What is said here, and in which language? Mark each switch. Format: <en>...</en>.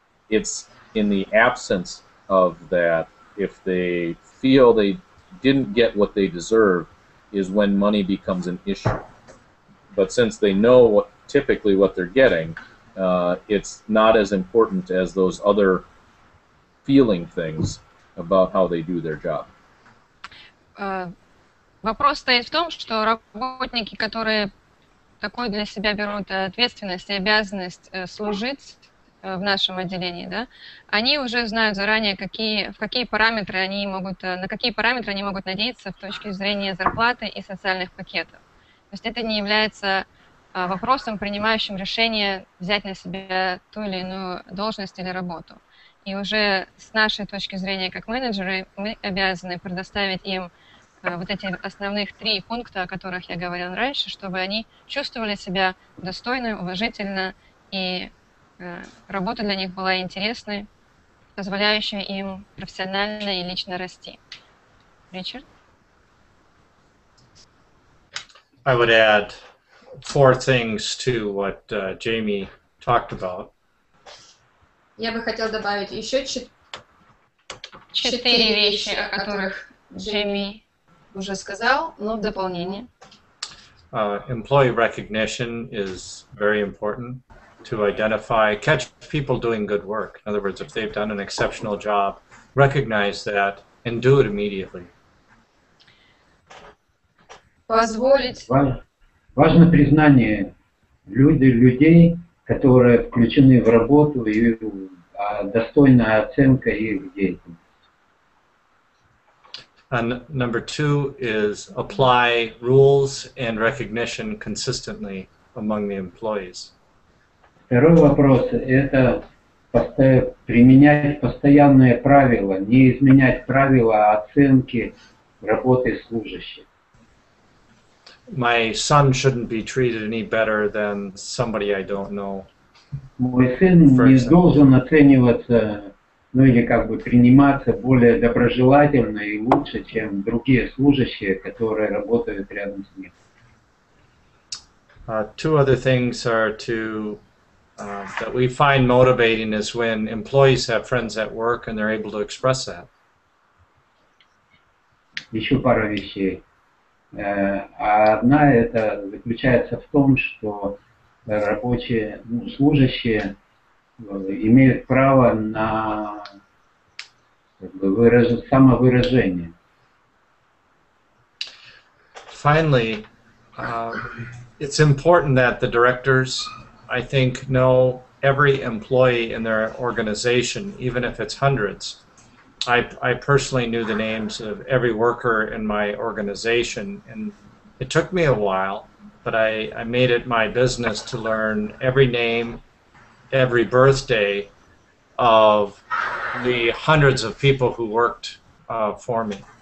<en>It's in the absence of that, if they feel they didn't get what they deserve, is when money becomes an issue. But since they know what typically what they're getting, it's not as important as those other feeling things about how they do their job.</en> <ru>Вопрос стоит в том, что работники, которые такой для себя берут ответственность и обязанность служить в нашем отделении, да, они уже знают заранее, на какие параметры они могут надеяться с точки зрения зарплаты и социальных пакетов. То есть это не является вопросом, принимающим решение взять на себя ту или иную должность или работу. И уже с нашей точки зрения, как менеджеры, мы обязаны предоставить им вот эти основных три пункта, о которых я говорила раньше, чтобы они чувствовали себя достойно, уважительно, и работа для них была интересной, позволяющей им профессионально и лично расти. Ричард?</ru> <en>I would add four things to what Jamie talked about.</en> <ru>Я бы хотел добавить еще четыре вещи, о которых Джейми уже сказал, но в дополнение.</ru> <en>Employee recognition is very important to identify, catch people doing good work. In other words, if they've done an exceptional job, recognize that and do it immediately.</en> <ru>Важно признание людей, которые включены в работу, и достойная оценка их деятельности.</ru> <en>And number two is apply rules and recognition consistently among the employees.</en> <ru>Второй вопрос – это применять постоянные правила, не изменять правила оценки работы служащих.</ru> <en>My son shouldn't be treated any better than somebody I don't know.</en> <ru>Мой сын не должен оцениваться, ну или как бы приниматься более доброжелательно и лучше, чем другие служащие, которые работают рядом с ним.</ru> <en>Two other things are that we find motivating is when employees have friends at work and they're able to express that.</en> <ru>Еще пара вещей. А одна это заключается в том, что рабочие, ну, служащие имеют право на как бы, самовыражение.</ru> <en>Finally, it's important that the directors, I think, know every employee in their organization, even if it's hundreds. I personally knew the names of every worker in my organization, and it took me a while, but I made it my business to learn every name, every birthday of the hundreds of people who worked for me.</en>